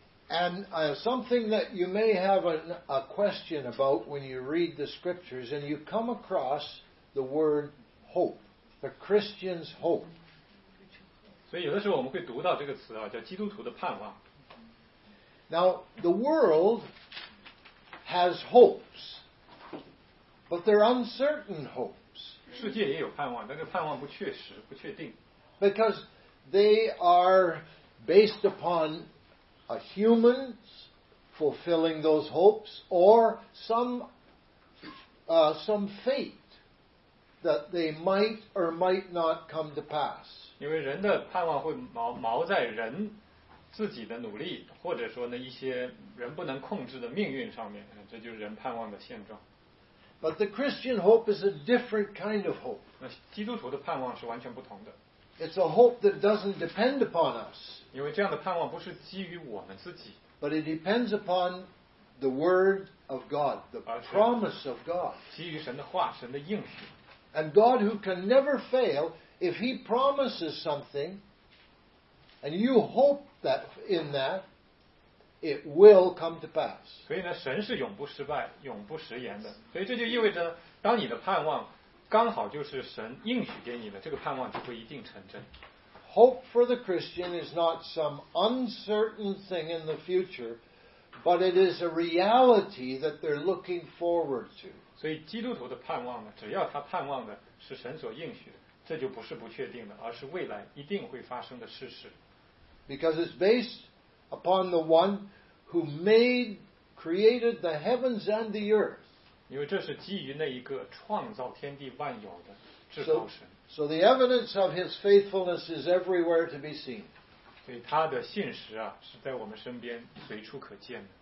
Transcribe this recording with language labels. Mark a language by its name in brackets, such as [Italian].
[English] And something that you may have a question about when you read the scriptures and you come across the word hope, the Christian's hope. [Chinese] 所以有的时候我们会读到这个词啊，叫基督徒的盼望。 [English] Now, the world has hopes, but they're uncertain hopes. [Chinese] 世界也有盼望，但是盼望不确实，不确定。 [English] Because they are based upon a human's fulfilling those hopes or some fate that they might or might not come to pass. [Chinese] 因为人的盼望会锚在人自己的努力，或者说呢一些人不能控制的命运上面，这就是人盼望的现状。 [English] But the Christian hope is a different kind of hope. [Chinese] 那基督徒的盼望是完全不同的。 [English] It's a hope that doesn't depend upon us. [Chinese] 因为这样的盼望不是基于我们自己。 [English] But it depends upon the word of God, the promise of God. [Chinese] 基于神的话，神的应许。 [English] And God who can never fail. If he promises something, and you hope that in that, it will come to pass. [Chinese] 所以呢，神是永不失败、永不食言的。所以这就意味着，当你的盼望刚好就是神应许给你的，这个盼望就会一定成真。 [English] Hope for the Christian is not some uncertain thing in the future, but it is a reality that they're looking forward to. [Chinese] 所以基督徒的盼望呢，只要他盼望的是神所应许的，这就不是不确定的，而是未来一定会发生的事实。 [English] Because it's based upon the one who made, created the heavens and the earth. [Chinese] 因为这是基于那一个创造天地万有的至高神。 [English] So the evidence of his faithfulness is everywhere to be seen. [Chinese] 所以他的信实啊，是在我们身边随处可见的。